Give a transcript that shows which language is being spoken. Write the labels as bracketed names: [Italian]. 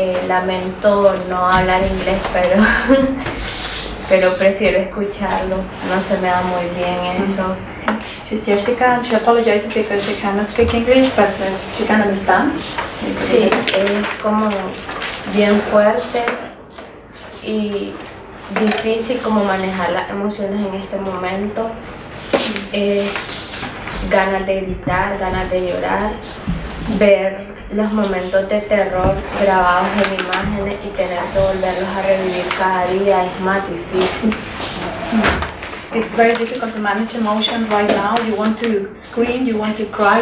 [Spanish] Lamento no hablar inglés, pero, pero prefiero escucharlo. No se me da muy bien eso. [English] She's Jessica and she apologizes because she cannot speak English, but she can understand. [Spanish] Sí, es como bien fuerte y difícil como manejar las emociones en este momento. Es ganas de gritar, ganas de llorar, ver los momentos de terror grabados en imágenes y tener que volverlos a revivir cada día es más difícil. [English] It's very difficult to manage emotions right now. You want to scream, you want to cry.